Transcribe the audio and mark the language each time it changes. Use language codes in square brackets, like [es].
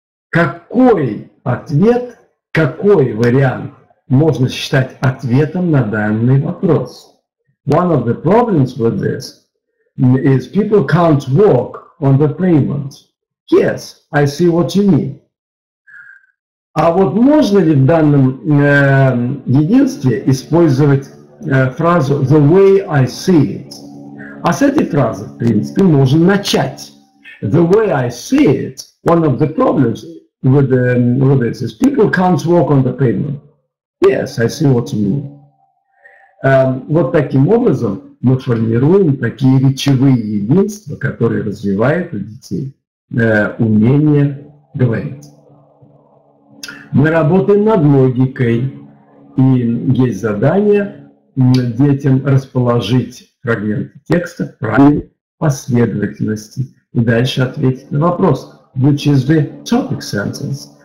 [ru] Какой ответ, какой вариант можно считать ответом на данный вопрос? [en] One of the problems with this is people can't walk on the pavement. Yes, I see what you mean. [ru] А вот можно ли в данном единстве использовать фразу [en] the way I see it? [ru] А с этой фразы, в принципе, можно начать. [en] The way I see it, one of the problems with this is people can't walk on the pavement. Yes, I see what you mean. [ru] Вот таким образом мы формируем такие речевые единства, которые развивают у детей умение говорить. Мы работаем над логикой, и есть задание детям расположить фрагменты текста в правильной последовательности и дальше ответить на вопрос, [en] which is the topic sentence.